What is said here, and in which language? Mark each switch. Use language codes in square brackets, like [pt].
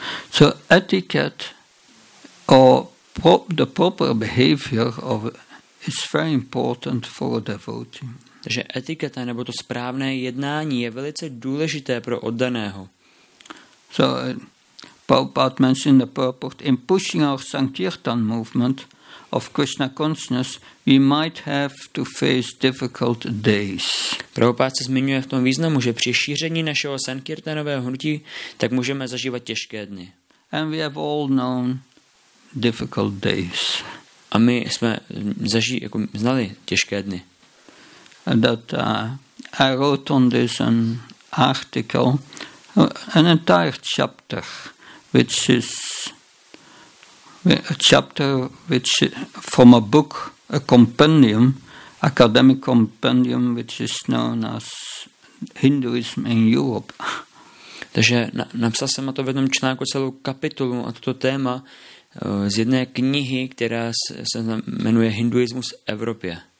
[en] So etiquette or the proper behavior of is very important for a devotee. [cs] Takže etiketa nebo to správné jednání je velice důležité pro oddaného. [en] So Prabhupada mentioned the purport in pushing our Sankirtan movement of Krishna consciousness, we might have to face difficult days. [cs] Prabhupada se zmiňuje v tom významu, že při šíření našeho sankirtanového hnutí, tak můžeme zažívat těžké dny. [en] And we have all known difficult days. [cs] A my jsme znali těžké dny. [en] And that I wrote on this an article, an entire chapter, which is a chapter which from a book, a compendium, academic compendium, which is known as Hinduism in Europe. [cs] Takže napsal jsem na to v jednom článku celou kapitolu a toto téma z jedné knihy, která se jmenuje Hinduismus v Evropě.